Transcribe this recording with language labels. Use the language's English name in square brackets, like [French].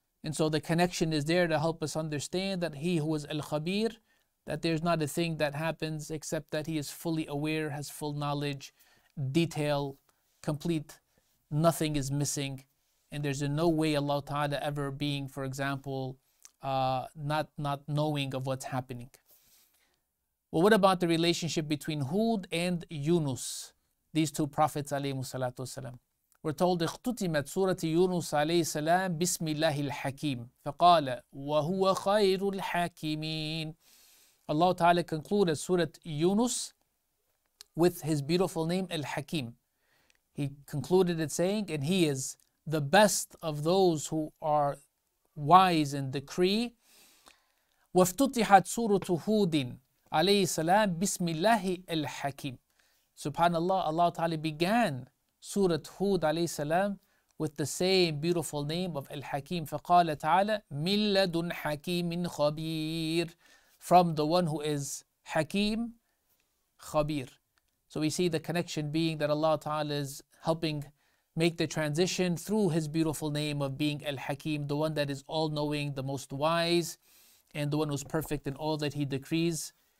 [English] And so the connection is there to help us understand that He who is Al-Khabir, that there's not a thing that happens except that He is fully aware, has full knowledge, detail, complete, nothing is missing. And there's in no way Allah Ta'ala ever being, for example, not knowing of what's happening. But what about the relationship between Hud and Yunus, these two prophets alayhi salatu wasalam? We're told, [Arabic] اختتمت سورة يونس عليه السلام بسم الله الحكيم فقال وهو خير الحاكمين. [English] Allah Ta'ala concluded Surah Yunus with His beautiful name, Al-Hakim. He concluded it saying, and He is the best of those who are wise in decree. [Arabic] وافتتحت سورة هود عليه السلام بسم الله الحكيم. [English] Subhanallah, Allah Ta'ala began Surah Hud alayhi salam with the same beautiful name of Al-Hakim. [Arabic] فقال تعالى مِنْ لَدُنْ حَكِيمٍ خَبِيرٍ. [English] From the one who is Hakim, Khabir. So we see the connection being that Allah Ta'ala is helping make the transition through His beautiful name of being Al-Hakim, the one that is all-knowing, the most wise, and the one who is perfect in all that He decrees.